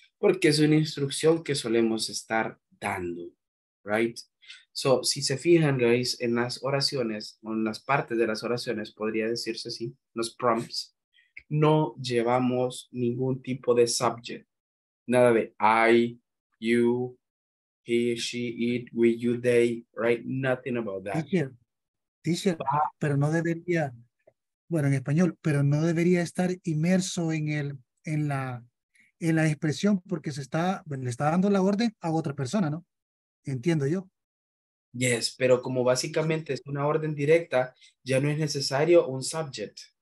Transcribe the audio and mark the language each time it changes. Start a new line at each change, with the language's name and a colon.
Spanish: Porque es una instrucción que solemos estar dando,
English: right?
Spanish: So, si se fijan,
English: guys,
Spanish: en las oraciones, o en las partes de las oraciones, podría decirse así, los prompts, no llevamos ningún tipo de subject. Nada de I, you, he, she, it, we, you, they, right?
English: Nothing about that.
Spanish: Teacher, pero no debería, bueno, en español, pero no debería estar inmerso en el, en la expresión porque se está, le está dando la orden a otra persona, ¿no? Entiendo yo.
English: Yes,
Spanish: pero como básicamente es una orden directa, ya no es necesario un subject.